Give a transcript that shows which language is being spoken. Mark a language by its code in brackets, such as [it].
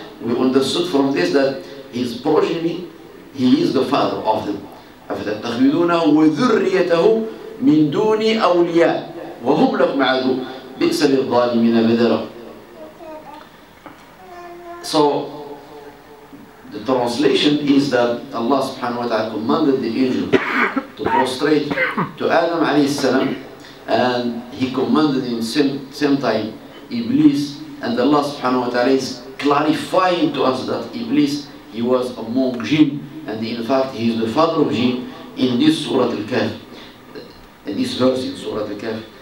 [en] We understood from this that his progeny, he is the father of them. [ar] أفتتخذونه وذريته من دون أولياء وهم لكم عدو بئس للظالمين بدلا. [en] So the translation is that Allah subhanahu wa ta'ala commanded the angel to prostrate to Adam alayhi salam, and he commanded in same time Iblis, and Allah subhanahu wa ta'ala is clarifying to us that Iblis, he was among jinn, and in fact he is the father of jinn in this Surah Al-Kahf, in this verse in Surah Al-Kahf.